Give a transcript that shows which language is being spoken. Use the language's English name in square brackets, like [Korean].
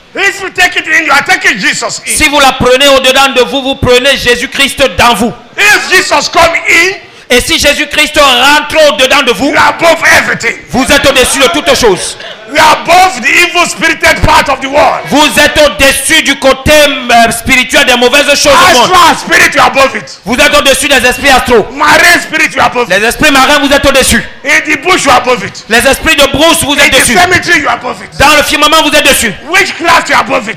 [English] If you take it in, you are taking Jesus in. [French] Si vous la prenez au-dedans de vous, vous prenez Jésus-Christ dans vous. [English] If Jesus come in, [French] et si Jésus-Christ rentre au-dedans de vous, [English] you are above everything. [French] Vous êtes au-dessus de toutes choses. [English] You are above the evil spirited part of the world. [French] Vous êtes au-dessus du côté spirituel des mauvaises choses du monde. [English] Astral spirit, you are above it. [French] Vous êtes au-dessus des esprits astraux. [English] Marine spirit, you are above it. [French] Les esprits marins, vous êtes au-dessus. [English] In the bush, you are above it. [French] Les esprits de brousse, vous [English] in [French] êtes dessus. [English] The cemetery, you are above it. [French] Dans le firmament, vous êtes dessus. [English] Witchcraft, you are above it.